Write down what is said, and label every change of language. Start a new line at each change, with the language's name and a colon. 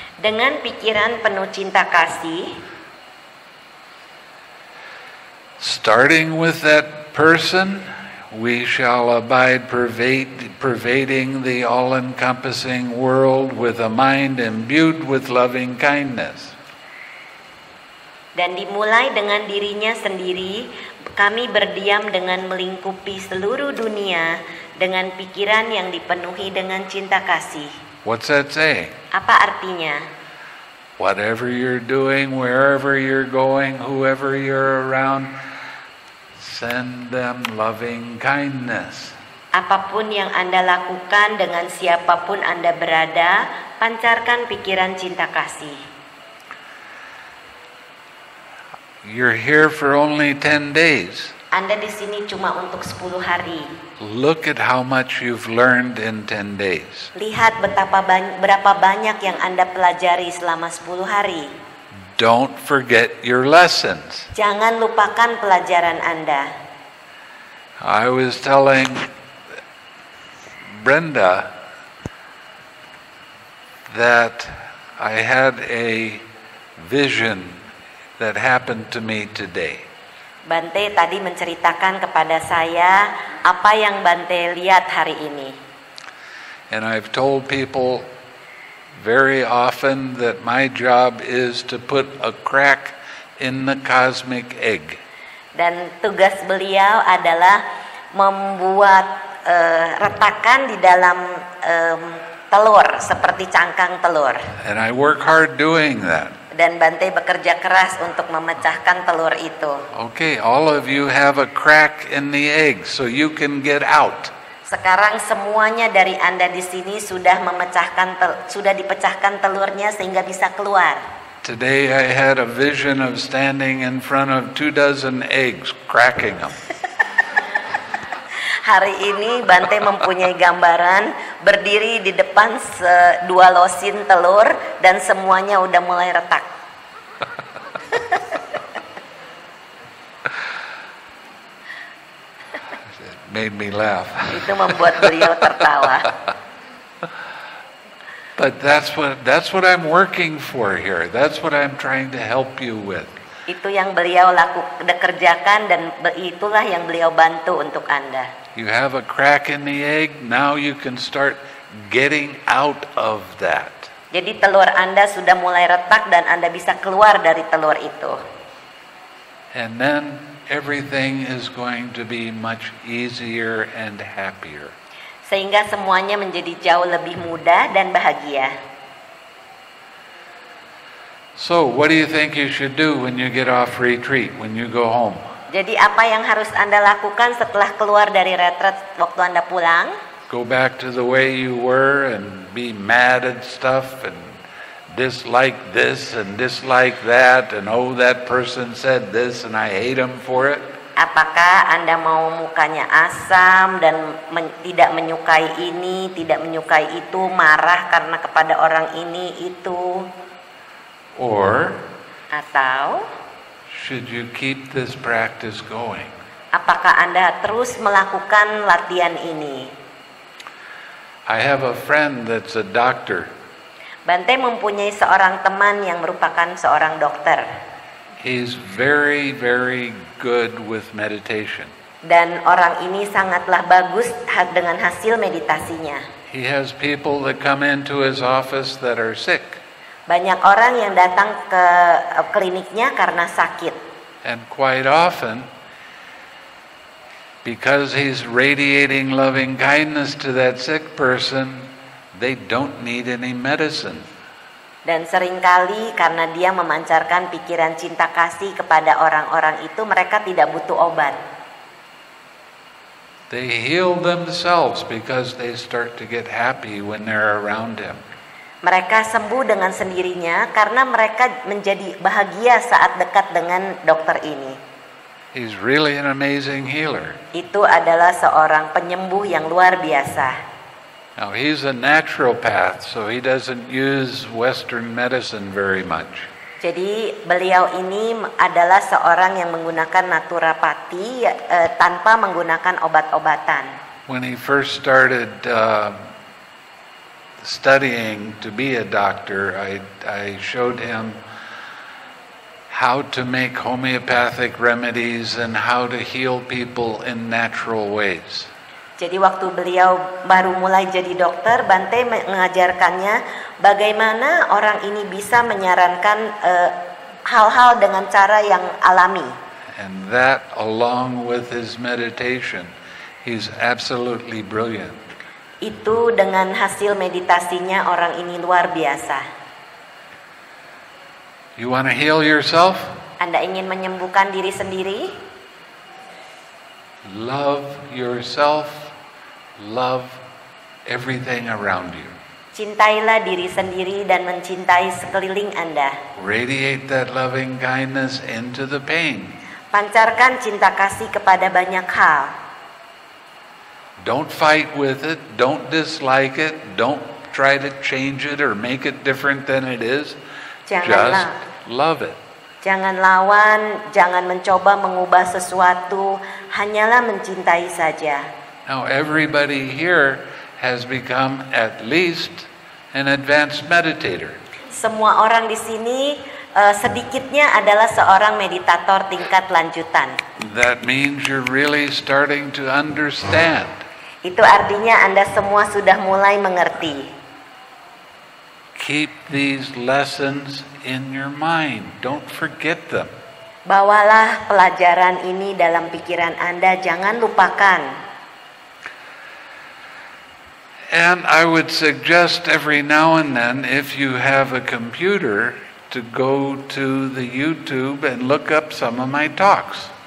Indonesian: Dengan pikiran penuh cinta kasih.
English: Starting with that person, we shall abide pervading the all-encompassing world with a mind imbued with loving kindness.
Indonesian: Dan dimulai dengan dirinya sendiri, kami berdiam dengan melingkupi seluruh dunia dengan pikiran yang dipenuhi dengan cinta kasih.
English: What's that say?
Indonesian: Apa artinya?
English: Whatever you're doing, wherever you're going, whoever you're around, send them loving kindness.
Indonesian: Apapun yang Anda lakukan dengan siapapun Anda berada, pancarkan pikiran cinta kasih.
English: You're here for only 10 days.
Indonesian: Anda di sini cuma untuk 10 hari.
English: Look at how much you've learned in 10 days.
Indonesian: Lihat betapa berapa banyak yang Anda pelajari selama 10 hari.
English: Don't forget your lessons.
Indonesian: Jangan lupakan pelajaran Anda.
English: I was telling Brenda that I had a vision that happened to me today.
Indonesian: Bante tadi menceritakan kepada saya apa yang Bante lihat hari ini.
English: And I've told people very often that my job is to put a crack in the cosmic egg.
Indonesian: Dan tugas beliau adalah membuat retakan di dalam telur, seperti cangkang telur.
English: And I work hard doing that.
Indonesian: Dan Bante bekerja keras untuk memecahkan telur itu.
English: Okay, all of you have a crack in the egg, so you can get out.
Indonesian: Sekarang semuanya dari Anda di sini sudah memecahkan sudah dipecahkan telurnya sehingga bisa keluar.
English: Today I had a vision of standing in front of 2 dozen eggs, cracking them.
Indonesian: Hari ini Bante mempunyai gambaran berdiri di depan 2 losin telur dan semuanya udah mulai retak.
English: It made me laugh.
Indonesian: Itu membuat beliau tertawa.
English: But that's what I'm working for here. That's what I'm trying to help you with.
Indonesian: Itu yang beliau kerjakan dan itulah yang beliau bantu untuk Anda.
English: You have a crack in the egg, now you can start getting out of that.
Indonesian: Jadi telur Anda sudah mulai retak dan Anda bisa keluar dari telur itu.
English: And then everything is going to be much easier and happier.
Indonesian: Sehingga semuanya menjadi jauh lebih mudah dan bahagia.
English: So, what do you think you should do when you get off retreat, when you go home?
Indonesian: Jadi apa yang harus Anda lakukan setelah keluar dari retret waktu Anda pulang?
English: Go back to the way you were and be mad at stuff and dislike this and dislike that and oh that person said this and I hate him for it.
Indonesian: Apakah Anda mau mukanya asam dan tidak menyukai ini, tidak menyukai itu, marah karena kepada orang ini itu?
English: Or
Indonesian: atau
English: should you keep this practice going?
Indonesian: Apakah Anda terus melakukan latihan ini?
English: I have a friend that's a doctor.
Indonesian: Bante mempunyai seorang teman yang merupakan seorang dokter.
English: He's very, very good with meditation.
Indonesian: Dan orang ini sangatlah bagus dengan hasil meditasinya.
English: He has people that come into his office that are sick.
Indonesian: Banyak orang yang datang ke kliniknya karena sakit.
English: And quite often, because he's radiating loving kindness to that sick person, they don't need any medicine.
Indonesian: Dan seringkali karena dia memancarkan pikiran cinta kasih kepada orang-orang itu, mereka tidak butuh obat.
English: They heal themselves because they start to get happy when they're around him.
Indonesian: Mereka sembuh dengan sendirinya karena mereka menjadi bahagia saat dekat dengan dokter ini.
English: He's really an amazing healer.
Indonesian: Itu adalah seorang penyembuh yang luar biasa.
English: Now he's a naturopath, so he doesn't use Western medicine very much.
Indonesian: Jadi beliau ini adalah seorang yang menggunakan naturopati tanpa menggunakan obat-obatan.
English: When he first started studying to be a doctor, I showed him how to make homeopathic remedies and how to heal people in natural ways.
Indonesian: Jadi waktu beliau baru mulai jadi dokter, Bante mengajarkannya bagaimana orang ini bisa menyarankan hal-hal dengan cara yang alami.
English: And that along with his meditation, he's absolutely brilliant.
Indonesian: Itu dengan hasil meditasinya orang ini luar biasa.
English: You want to heal yourself?
Indonesian: Anda ingin menyembuhkan diri sendiri?
English: Love yourself love everything around you.
Indonesian: Cintailah diri sendiri dan mencintai sekeliling Anda.
English: Radiate that loving kindness into the pain.
Indonesian: Pancarkan cinta kasih kepada banyak hal.
English: Don't fight with it, don't dislike it, don't try to change it or make it different than it is. Just love it.
Indonesian: Jangan lawan, jangan mencoba mengubah sesuatu, hanyalah mencintai saja.
English: Now everybody here has become at least an advanced meditator.
Indonesian: Semua orang di sini sedikitnya adalah seorang meditator tingkat lanjutan.
English: That means you're really starting to understand.
Indonesian: Itu artinya Anda semua sudah mulai mengerti.
English: Keep these lessons in your mind. Don't forget them.
Indonesian: Bawalah pelajaran ini dalam pikiran Anda, jangan lupakan.
English: And I would suggest every now and then, if you have a computer, to go to the YouTube and look up some of my talks.